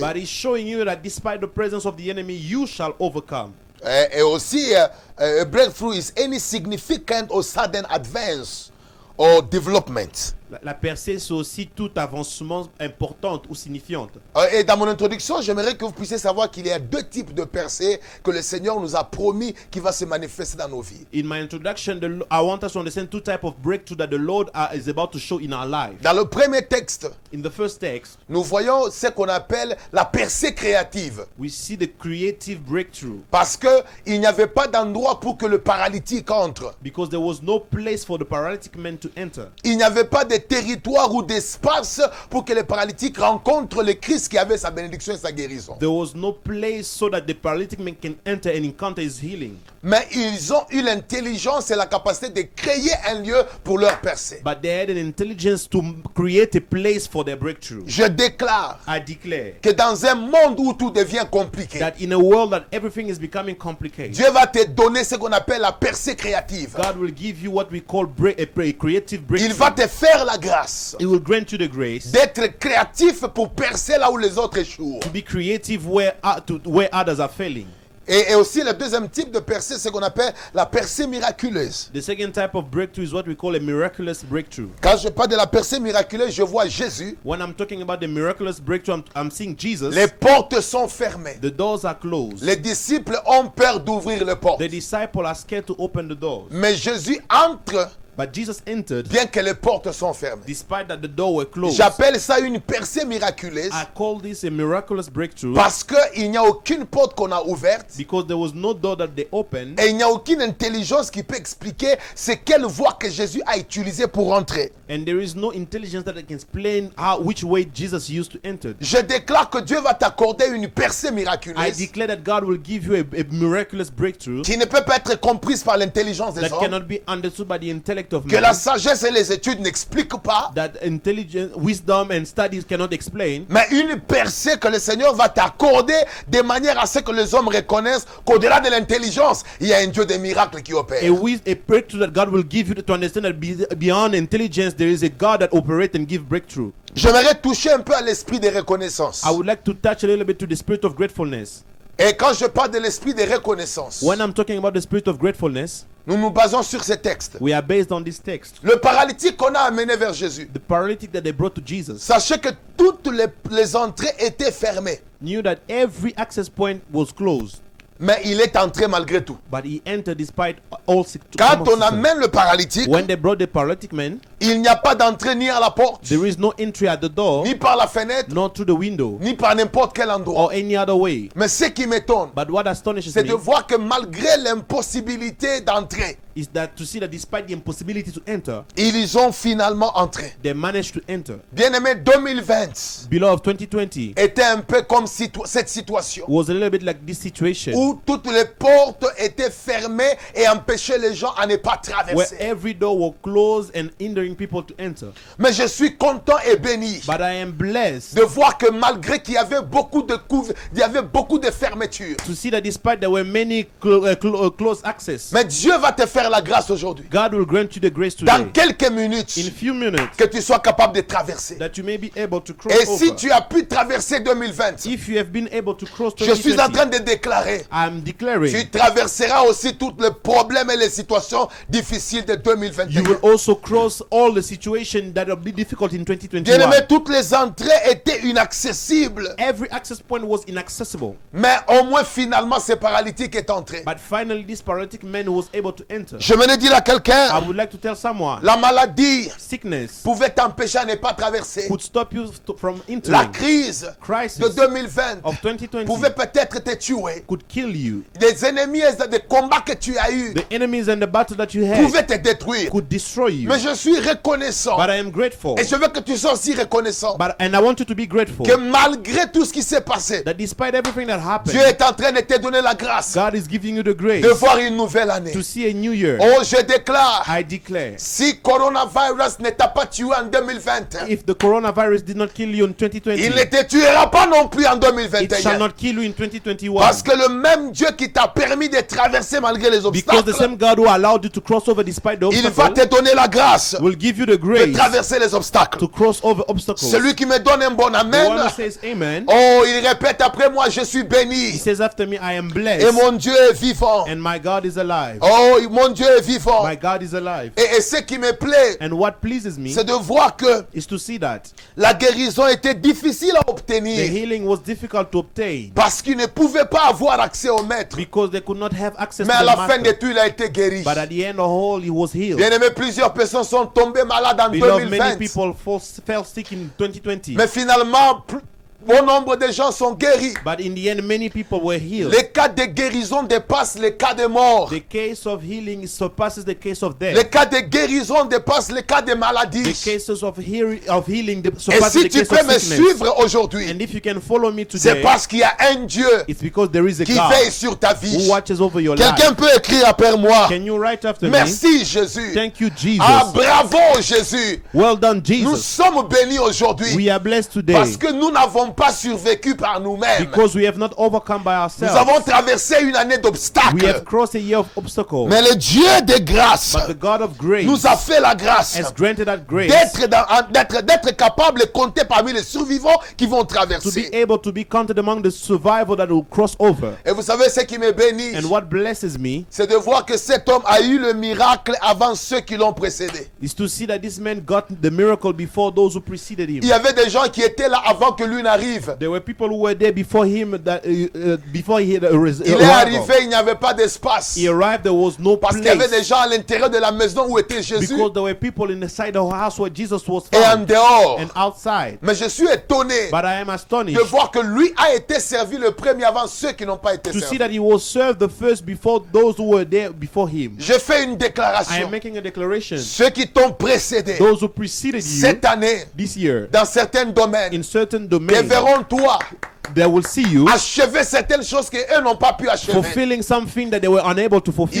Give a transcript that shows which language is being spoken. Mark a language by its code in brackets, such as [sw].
[en] But he's showing you that despite the presence of the enemy, you shall overcome. [fr] Et aussi, [en] a breakthrough is any significant or sudden advance or development. [fr] La percée, c'est aussi tout avancement importante ou signifiante. Et dans mon introduction, j'aimerais que vous puissiez savoir qu'il y a deux types de percées que le Seigneur nous a promis qui va se manifester dans nos vies. [en] In my introduction, I want us to understand two types of breakthrough that the Lord is about to show in our life. [fr] Dans le premier texte, [en] in the first text, [fr] nous voyons ce qu'on appelle la percée créative. [en] We see the creative breakthrough. [fr] Parce que il n'y avait pas d'endroit pour que le paralytique entre. [en] Because there was no place for the paralytic man to enter. [fr] Il n'y avait pas des territoires ou d'espace pour que les paralytiques rencontrent le Christ qui avait sa bénédiction et sa guérison. [en] There was no place so that the paralytic man can enter and encounter his healing. [fr] Mais ils ont eu l'intelligence et la capacité de créer un lieu pour leur percée. [en] But they had an intelligence to create a place for their breakthrough. [fr] Je déclare, [en] I declare, [fr] que dans un monde où tout devient compliqué, [en] that in a world that everything is becoming complicated, [fr] Dieu va te donner ce qu'on appelle la percée créative. [en] God will give you what we call creative breakthrough. [fr] Il va te faire la grâce, [en] it will grant you the grace, [fr] d'être créatif pour percer là où les autres échouent. [en] To be creative where others are failing. [fr] Et aussi le deuxième type de percée, c'est ce qu'on appelle la percée miraculeuse. [en] The second type of breakthrough is what we call a miraculous breakthrough. [fr] Quand je parle de la percée miraculeuse, je vois Jésus. [en] When I'm talking about the miraculous breakthrough, I'm seeing Jesus. [fr] Les portes sont fermées. [en] The doors are closed. [fr] Les disciples ont peur d'ouvrir les portes. [en] The disciples are scared to open the doors. [fr] Mais Jésus entre. [en] But Jesus entered, [fr] bien que les portes sont fermées, [en] despite that the door were closed. [fr] J'appelle ça une percée miraculeuse. [en] I call this a miraculous breakthrough. [fr] Parce que il n'y a aucune porte qu'on a ouverte. [en] Because there was no door that they opened. [fr] Et il n'y a aucune intelligence qui peut expliquer c'est quelle voie que Jésus a utilisée pour entrer. [en] And there is no intelligence that can explain how which way Jesus used to enter. [fr] Je déclare que Dieu va t'accorder une percée miraculeuse. [en] I declare that God will give you a miraculous breakthrough. [fr] Qui ne peut pas être comprise par l'intelligence des [en] that [fr] hommes. [en] That cannot be understood by the intelligence. intellect of man. [fr] Que la sagesse et les études n'expliquent pas. [en] That intelligence, wisdom and studies cannot explain. [fr] Mais une percée que le Seigneur va t'accorder de manière à ce que les hommes reconnaissent qu'au-delà de l'intelligence, il y a un Dieu des miracles qui opère. [en] A breakthrough that God will give you to understand that beyond intelligence there is a God that operates and gives breakthrough. [fr] J'aimerais toucher un peu à l'esprit de reconnaissance. [en] I would like to touch a little bit to the spirit of gratefulness. [fr] Et quand je parle de l'esprit de reconnaissance, [en] when I'm talking about the spirit of gratefulness, [fr] nous nous basons sur ce texte. [en] We are based on this text. [fr] Le paralytique qu'on a amené vers Jésus. [en] The paralytic that they brought to Jesus. [fr] Sachez que toutes les entrées étaient fermées. [en] Knew that every access point was closed. [fr] Mais il est entré malgré tout. [en] But he entered despite all sickness. [fr] Quand on amène le paralytique, [en] when they brought the paralytic man, [fr] il n'y a pas d'entrée ni à la porte, [en] there is no entry at the door, [fr] ni par la fenêtre, [en] nor through the window, [fr] ni par n'importe quel endroit, [en] or any other way. [fr] Mais ce qui m'étonne, [en] but what astonishes [fr] c'est [en] me, [fr] de voir que malgré l'impossibilité d'entrer, [en] is that to see that despite the impossibility to enter, [fr] ils ont finalement entré. [en] They managed to enter. [fr] Bien-aimé, 2020, [en] beloved, 2020 [fr] était un peu comme cette situation. [en] Was a little bit like this situation. [fr] Où toutes les portes étaient fermées et empêchaient les gens à ne pas traverser. [en] Where every door was closed and hindering people to enter. [fr] Mais je suis content et béni. [en] But I am blessed. [fr] De voir que malgré qu'il y avait beaucoup de couvres, il y avait beaucoup de fermetures. [en] To see that despite there were many closed access. [fr] Mais Dieu va te faire la grâce aujourd'hui. [en] God will grant you the grace today. [fr] Dans quelques minutes. [en] In a few minutes. [fr] Que tu sois capable de traverser. [en] That you may be able to cross. [fr] Et si [en] over. [fr] Tu as pu traverser 2020. [en] If you have been able to cross 2020. [fr] Je suis en train de déclarer. [en] I'm declaring. [fr] Tu traverseras aussi tous les problèmes et les situations difficiles de 2021. [en] You will also cross all the situations that will be difficult in 2021. [fr] Bien-aimé, toutes les entrées étaient inaccessibles. [en] Every access point was inaccessible. [fr] Mais au moins finalement, ce paralytique est entré. [en] But finally, this paralytic man was able to enter. [fr] Je venais dire à quelqu'un. [en] I would like to tell someone. [fr] La maladie, [en] sickness, [fr] pouvait t'empêcher de ne pas traverser. [en] Could stop you from entering. [fr] La crise, [en] crisis [fr] de 2020, [en] of 2020 [fr] pouvait peut-être te tuer. [en] Could kill you. [fr] Les ennemis et les combats que tu as eu. [en] The enemies and the battle that you had [fr] pouvaient te détruire. [en] Could destroy you. [fr] Mais je suis reconnaissant. [en] But I am grateful. [fr] Et je veux que tu sois aussi reconnaissant. [en] But and I want you to be grateful. [fr] Que malgré tout ce qui s'est passé, [en] that despite everything that happened, [fr] Dieu est en train de te donner la grâce. [en] God is giving you the grace. [fr] De voir une nouvelle année. [en] To see a new year. [fr] Oh, je déclare. [en] I declare. [fr] Si coronavirus ne t'a pas tué en 2020, [en] if the coronavirus did not kill you in 2020, [fr] il ne te tuera pas non plus en 2021. [en] It shall not kill you in 2021. [fr] Parce que le même Dieu qui t'a permis de traverser malgré les obstacles. [en] Because the same God who allowed you to cross over despite the obstacles. [fr] Il va te donner la grâce. [en] Will give you the grace. [fr] De traverser les obstacles. [en] To cross over obstacles. [fr] Celui qui me donne un bon amen. [en] The one who says amen. [fr] Oh, il répète après moi, je suis béni. [en] He says after me, I am blessed. [fr] Et mon Dieu est vivant. [en] And my God is alive. [fr] Oh, mon Dieu est vivant. [en] My God is alive. [fr] Et ce qui me plaît. [en] And what pleases me. [fr] C'est de voir que. [en] Is to see that. [fr] La guérison était difficile à obtenir. [en] The healing was difficult to obtain. [fr] Parce qu'il ne pouvait pas avoir accès au maître. [en] Because they could not have access. [fr] Mais [en] to [fr] à la [en] the [fr] fin de tout, il a été guéri. [en] But at the end of all, he was healed. [fr] Bien aimé, plusieurs personnes sont tombées malades en 2020. [en] Many people fell sick in 2020. [fr] Mais finalement, bon nombre de gens sont guéris. [en] But in the end, many people were healed. [fr] Les cas de guérison dépassent les cas de mort. [en] The case of healing surpasses the case of death. [fr] Les cas de guérison dépassent les cas de maladie. [en] The cases of healing surpasses [fr] si [en] the case of sickness. [fr] Et si tu peux me suivre aujourd'hui, [en] and if you can follow me today, [fr] c'est parce qu'il y a un Dieu. [en] It's because there is a [fr] qui [en] God [fr] veille sur ta vie. [en] Who watches over your [fr] quelqu'un [en] life. [fr] Peut écrire après moi. [en] Can you write after [fr] merci, [en] me? [fr] Merci Jésus. [en] Thank you Jesus. [fr] Ah bravo Jésus. [en] Well done Jesus. [fr] Nous sommes bénis aujourd'hui. [en] We are blessed today. [fr] Parce que nous n'avons pas survécu par nous-mêmes. [en] Because we have not overcome by ourselves. [fr] Nous avons traversé une année d'obstacles. [en] We have crossed a year of obstacles. [fr] Mais le Dieu de grâce, [en] but the God of grace, [fr] nous a fait la grâce, [en] has granted that grace, [fr] d'être capable de compter parmi les survivants qui vont traverser. [en] To be able to be counted among the survivors that will cross over. [fr] Et vous savez ce qui me bénit, [en] and what blesses me, [fr] c'est de voir que cet homme a eu le miracle avant ceux qui l'ont précédé. [en] Is to see that this man got the miracle before those who preceded him. [fr] Il y avait des gens qui étaient là avant que lui n'arrive. [en] There were people who were there before him that before he [fr] il est arrivé, il n'y avait pas d'espace. [en] He arrived, there was no [fr] parce [en] place. [fr] Qu'il y avait des gens à l'intérieur de la maison où était Jésus. [en] Because there were people inside the house where Jesus was found. [fr] Et en dehors. [en] And outside. [fr] Mais je suis étonné. [en] But I am astonished. [fr] De voir que lui a été servi le premier avant ceux qui n'ont pas été servis. [en] To see that he was served the first before those who were there before him. [fr] Je fais une déclaration. [en] I am making a declaration. [fr] Ceux qui t'ont précédé. [en] Those who preceded you. [fr] Cette année. [en] This year. [fr] Dans certains domaines. [en] In certain domains. [fr] Verront toi [en] they will see you [fr] achever certaines choses que eux n'ont pas pu achever. [en] Fulfilling something that they were unable to fulfill.